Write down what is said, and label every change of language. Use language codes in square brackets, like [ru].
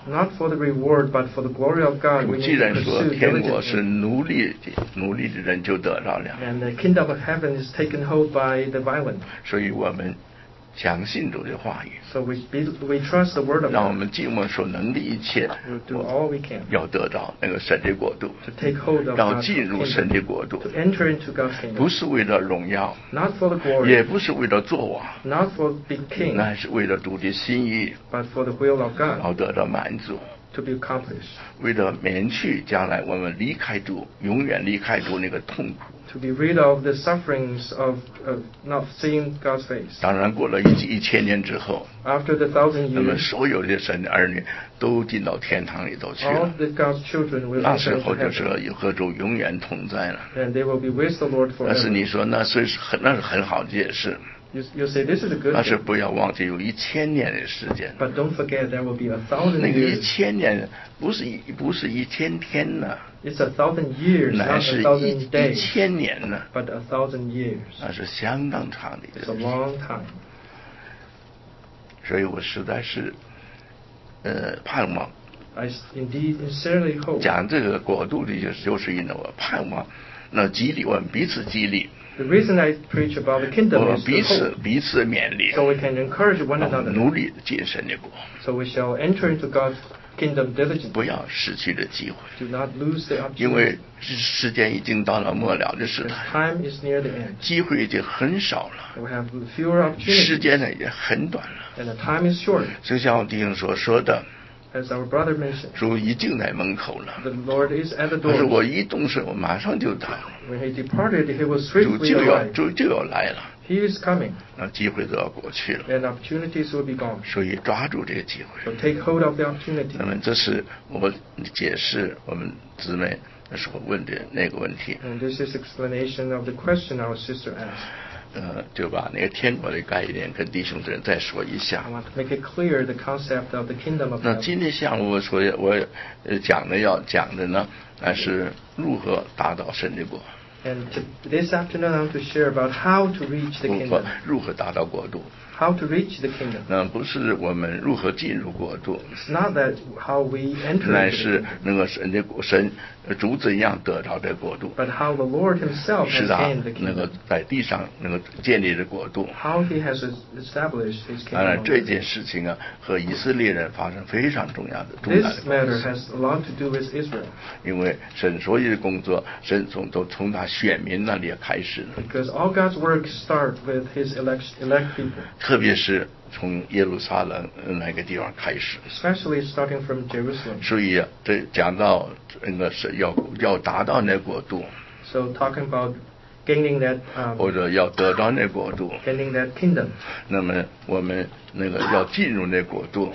[en] Not for the reward, but for the glory of God. [zh] 主既然说天国是奴隶的人就得到了。 [en] And the kingdom of heaven is taken hold by the violent. [zh] 所以我们。相信主的话语 [en] so we trust the word of God. [zh] 让我们尽我们所能的一切 [en] we'll do all we can [zh] 要得到那个神的国度 [en] to take hold of [zh] 要进入神的国度 [en] to enter into God's kingdom [zh] 不是为了荣耀 [en] not for the glory [zh] 也不是为了作王 [en] not for the king [zh] 那是为了主的心意 [en] but for the will of God [zh] 要得到满足 [en] to be accomplished. [zh] 为了免去将来我们离开主，永远离开主那个痛苦。 [en] To be rid of the sufferings of not seeing God's face. [zh] 当然，过了一千年之后 [en] ，After the thousand years, [zh] 那么所有的神儿女都进到天堂里头去了。 [en] All the God's children will enter heaven. [zh] 那时候就是有和主永远同在了。 [en] And they will be with the Lord forever. [zh] 那是你说那是很好的解释。 [en] You say this is a good. [zh] 但是不要忘记有一千年的时间。 [en] But don't forget there will be a thousand years. [zh] 那个一千年不是一千天呢。 [en] It's a thousand years, not a thousand days. [zh] 一千年呢。 [en] But a thousand years. [zh] 那是相当长的。 [en] It's a long time. [zh] 所以我实在是，盼望。 [en] I indeed sincerely hope. [zh] 讲这个国度的就是因为我盼望，那激励我们彼此激励。 [en] The reason I preach about the kingdom is to hope. [zh] 彼此勉励。 [en] So we can encourage one another. [zh] 努力进神的国。 [en] So we shall enter into God's kingdom diligently. [zh] 不要失去的机会。 [en] Do not lose the opportunity. [zh] 因为时间已经到了末了的时代。 [en] Time is near the end. [zh] 机会已经很少了。 [en] We have fewer opportunities. [zh] 时间呢也很短了。 [en] And the time is short. [zh] 就像弟兄所说的。 [en] As our brother mentioned, [zh] 主已经在门口了。 [en] The Lord is at the door. 但 [zh] 是我一动身，我马上就到。 [en] When he departed, he was swiftly arrived. [zh] 主就要来了。 [en] He is coming. [zh] 那机会都要过去了。 [en] And opportunities will be gone. [zh] 所以抓住这个机会。 [en] So take hold of the opportunity. [zh] 那么这是我解释我们姊妹所问的那个问题。 [en] And this is explanation of the question our sister asked. [zh] 就把那个天国的概念跟弟兄们再说一下。 [en] I want to make it clear the concept of the kingdom of God. [zh] 那今天下午我讲的呢，那是如何达到神的国。 [en] And this afternoon I want to share about how to reach the kingdom. [zh] 如何达到国度。 [en] How to reach the kingdom. [zh] 那不是我们如何进入国度。 [en] It's not that how we enter. [zh] 乃是那个神的国神。主怎样得到这国度？ [en] But how the Lord himself has gained the kingdom. [zh] 那个在地上那个建立的国度。 [en] How he has established his kingdom. [zh] 当然这件事情啊和以色列人发生非常重要的。 [en] This matter has a lot to do with Israel. [zh] 因为神所有的工作，神都从他选民那里开始。 [en] Because all God's work starts with his elect people. [zh] 特别是从耶路撒冷那个地方开始。 [en] Especially starting from Jerusalem. [zh] 所以这讲到那个是要达到那国度。 [en] So talking about gaining that. [zh] 或者要得到那国度。 [en] Gaining that kingdom. [zh] 那么我们那个要进入那国度。